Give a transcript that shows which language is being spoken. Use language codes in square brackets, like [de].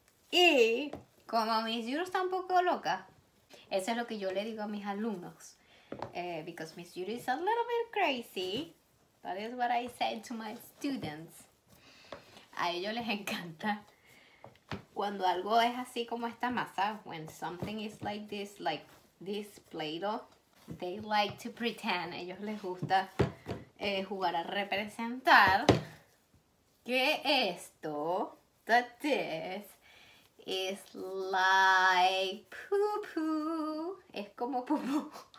[es] Y como Miss Judy está un poco loca, eso es lo que yo le digo a mis alumnos. [en] Because Miss Judy is a little bit crazy. That is what I said to my students. [es] A ellos les encanta cuando algo es así como esta masa. [en] When something is like this Play-Doh, they like to pretend. [es] Ellos les gusta jugar a representar que esto, [en] that this, is like poo-poo. [es] Es como poo-poo.